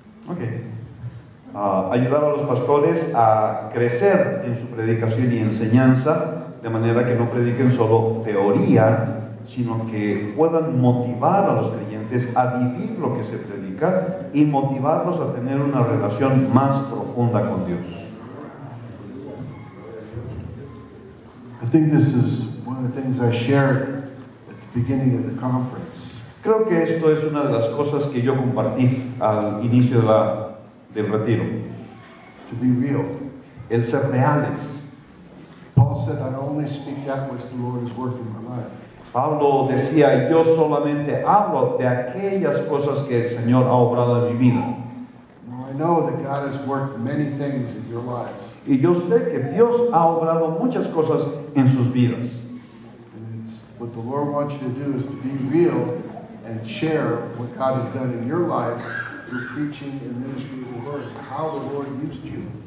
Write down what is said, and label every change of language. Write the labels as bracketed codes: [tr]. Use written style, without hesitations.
[es] Ok. Ayudar a los pastores a crecer en su predicación y enseñanza, de manera que no prediquen solo teoría, sino que puedan motivar a los creyentes a vivir lo que se predica y motivarlos a tener una relación más profunda con Dios. [en] I think this is one of the things I shared at the beginning of the conference. [es] Creo que esto es una de las cosas que yo compartí al inicio de del retiro. [en] To be real. [es] El ser reales. [en] Paul said, I only speak that which the Lord is working in my life. [es] Pablo decía, yo solamente hablo de aquellas cosas que el Señor ha obrado en mi vida. [en] Now I know that God has worked many things in your lives. [es] Y yo sé que Dios ha obrado muchas cosas en sus vidas. [en] And it's what the Lord wants you to do is to be real and share what God has done in your life through preaching and ministry of the Word, how the Lord used you.